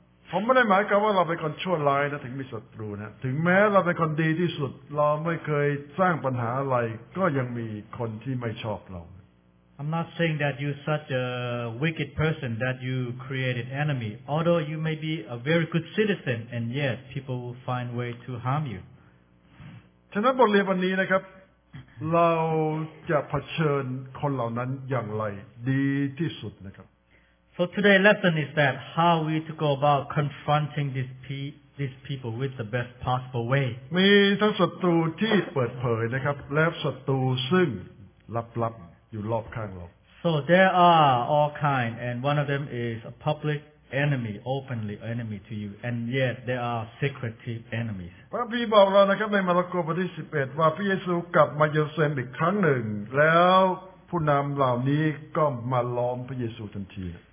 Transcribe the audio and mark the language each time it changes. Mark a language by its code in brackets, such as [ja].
[th] ผมไม่ได้หมายความว่าเราเป็นคนชั่วร้ายนะถึงมีศัตรูนะถึงแม้เราเป็นคนดีที่สุดเราไม่เคยสร้างปัญหาอะไรก็ยังมีคนที่ไม่ชอบเรา [en] I'm not saying that you're such a wicked person that you created enemy. Although you may be a very good citizen, and yet people will find way to harm you. [th] ฉะนั้นบทเรียนวันนี้นะครับเราจะเผชิญคนเหล่านั้นอย่างไรดีที่สุดนะครับ [en] So today's lesson is that how we to go about confronting these people with the best possible way. [th] มีทั้งศัตรูที่เปิดเผยนะครับและศัตรูซึ่งลับๆอยู่รอบข้างเรา [en] So there are all kind and one of them is a public enemy openly enemy to you and yet there are secretive enemies [th] พระคัมภีร์บอกเรานะครับในมาระโกบทที่11ว่าพระเยซูกลับมาเยรูซาเล็มอีกครั้งหนึ่งแล้วพ ผู้นำเหล่านี้ก็มาล้อมพระเยซูทันที